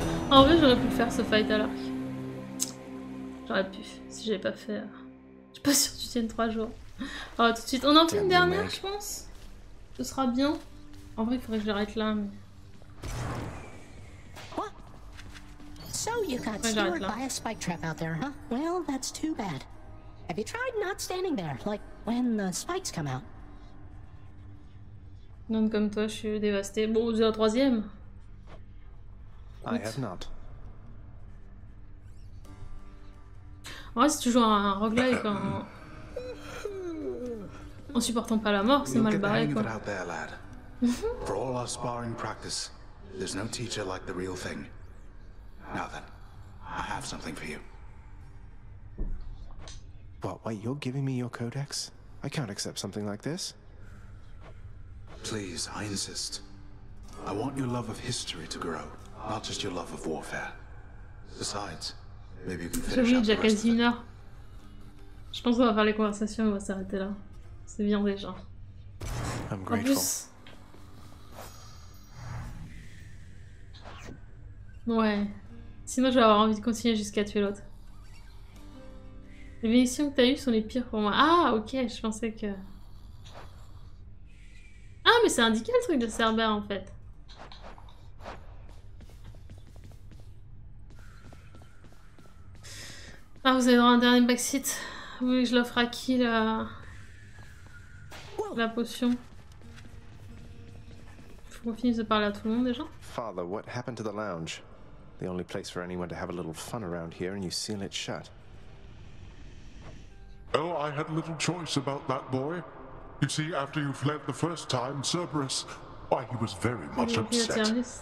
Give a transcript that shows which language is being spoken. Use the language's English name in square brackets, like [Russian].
[French] En vrai, j'aurais pu faire ce fight à l'arc. J'aurais pu, si j'avais pas fait. Je suis pas sûre que tu tiennes 3 jours. Alors, tout de suite, on en fait une dernière, je pense. Ce sera bien. En vrai, il faudrait que je l'arrête là, mais... [English] So you got steward by a spike trap out there, huh? Well, that's too bad. Have you tried not standing there, like when the spikes come out? [French] Non, comme toi, je suis dévasté. Bon, j'ai la troisième. [English] I have not. [French] Ouais, c'est toujours un roguelike en... en supportant pas la mort, c'est mal barré, quoi. [English] Out there, lad. For all our sparring practice, there's no teacher like the real thing. Now then, I have something for you. What, wait, you're giving me your codex? I can't accept something like this. Please, I insist. I want your love of history to grow, not just your love of warfare. Besides, maybe you can finish up the rest of it. [French] J'ai quasi une heure. Je pense qu'on va faire les conversations, on va s'arrêter là. C'est bien déjà. [English] I'm grateful. [French] Ouais. Sinon, je vais avoir envie de continuer jusqu'à tuer l'autre. Les bénédictions que t'as eues sont les pires pour moi. Ah, ok, je pensais que... Ah, mais c'est indiqué le truc de Cerber, en fait. Ah, vous avez droit à un dernier backseat. Vous voulez que je l'offre à qui, la... la potion? Faut qu'on finisse de parler à tout le monde, déjà. [English] Father, what happened to the lounge? The only place for anyone to have a little fun around here, and you seal it shut. Oh, I had little choice about that boy. You see, after you fled the first time, Cerberus, why, he was very much upset.